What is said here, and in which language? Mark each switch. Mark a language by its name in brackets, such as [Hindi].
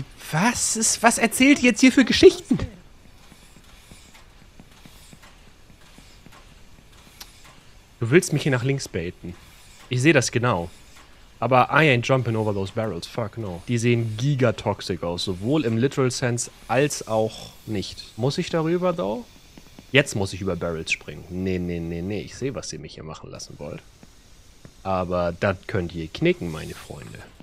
[German] Was erzählt ihr jetzt hier für Geschichten? Du willst mich hier nach links baiten. Ich sehe das genau. [English] Aber I ain't jumping over those barrels, fuck no. [German] Die sehen gigatoxic aus, sowohl im [English] literal sense [German] als auch nicht. Muss ich darüber, though? Jetzt muss ich über Barrels springen. Nee. Ich sehe, was ihr mich hier machen lassen wollt. Aber das könnt ihr knicken, meine Freunde.